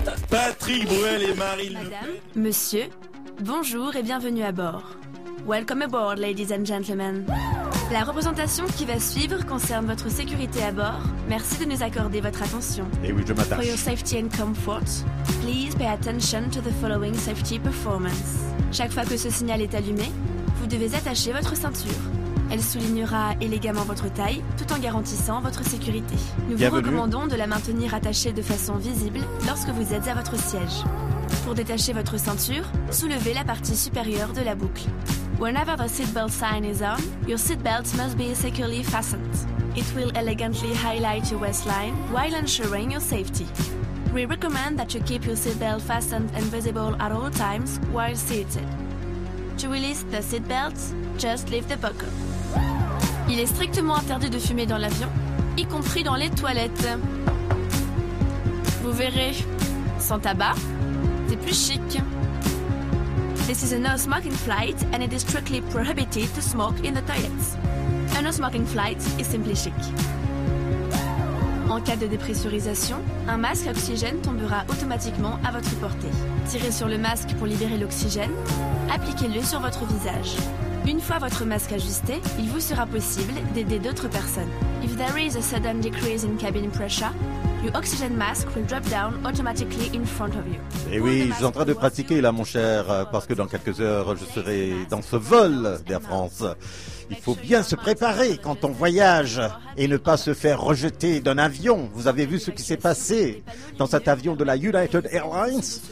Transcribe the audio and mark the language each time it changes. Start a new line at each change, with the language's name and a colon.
French: Patrick Bruel et Marine Madame, Le Pen. Madame, monsieur, bonjour et bienvenue à bord.
English: Welcome aboard, ladies and gentlemen.
French: La représentation qui va suivre concerne votre sécurité à bord. Merci de nous accorder votre attention. Et oui, je m'attache.
English: For your safety and comfort, please pay attention to the following safety performance.
French: Chaque fois que ce signal est allumé, vous devez attacher votre ceinture. Elle soulignera élégamment votre taille, tout en garantissant votre sécurité. Nous vous recommandons de la maintenir attachée de façon visible lorsque vous êtes à votre siège. Pour détacher votre ceinture, soulevez la partie supérieure de la boucle.
English: Whenever the seatbelt sign is on, your seatbelt must be securely fastened. It will elegantly highlight your waistline while ensuring your safety. We recommend that you keep your seatbelt fastened and visible at all times while seated. To release the seatbelt, just lift the buckle.
French: Il est strictement interdit de fumer dans l'avion, y compris dans les toilettes. Vous verrez, sans tabac, c'est plus chic.
English: This is a no-smoking flight and it is strictly prohibited to smoke in the toilets. A no-smoking flight is simply chic.
French: En cas de dépressurisation, un masque à oxygène tombera automatiquement à votre portée. Tirez sur le masque pour libérer l'oxygène, appliquez-le sur votre visage. Une fois votre masque ajusté, il vous sera possible d'aider d'autres personnes.
English: If there is a sudden decrease in cabin pressure, your oxygen mask will drop down automatically in front of you.
French: Eh oui, je suis en train de pratiquer là, mon cher, parce que dans quelques heures, je serai dans ce vol d'Air France. Il faut bien se préparer quand on voyage et ne pas se faire rejeter d'un avion. Vous avez vu ce qui s'est passé dans cet avion de la United Airlines.